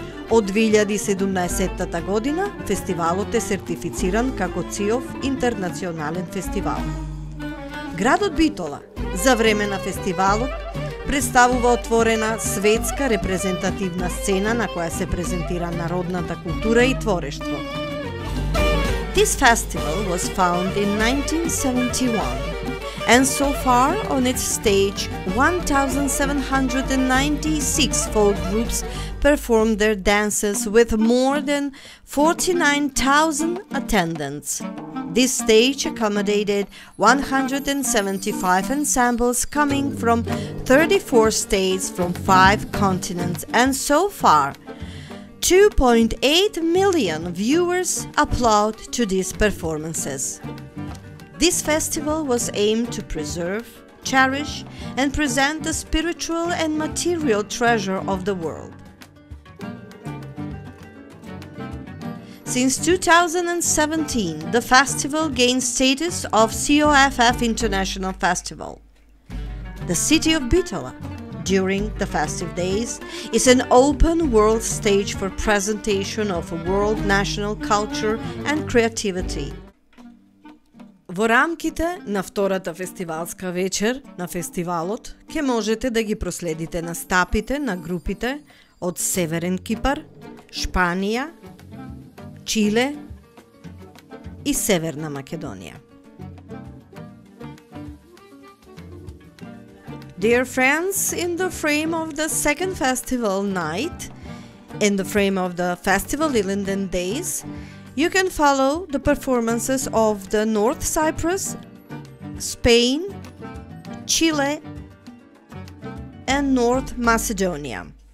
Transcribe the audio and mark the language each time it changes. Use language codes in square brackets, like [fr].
[mk] Од 2017 година фестивалот е сертифициран како ЦИОФ интернационален фестивал. Градот Битола за време на фестивалот представува отворена светска репрезентативна сцена на која се презентира народната култура и творештво. [en] This festival was found in 1971. And so far, on its stage, 1,796 folk groups performed their dances with more than 49,000 attendants. This stage accommodated 175 ensembles coming from 34 states from 5 continents. And so far, 2.8 million viewers applaud to these performances. This festival was aimed to preserve, cherish, and present the spiritual and material treasure of the world. Since 2017, the festival gained status of COFF International Festival. The city of Bitola, during the festive days, is an open world stage for presentation of world national culture and creativity. [mk] Во рамките на втората фестивалска вечер на фестивалот ќе можете да ги проследите настапите на групите од Северен Кипар, Шпанија, Чиле и Северна Македонија. [en] Dear friends, in the frame of the second festival night, in the frame of the festival Ilinden Days, you can follow the performances of the North Cyprus, Spain, Chile, and North Macedonia.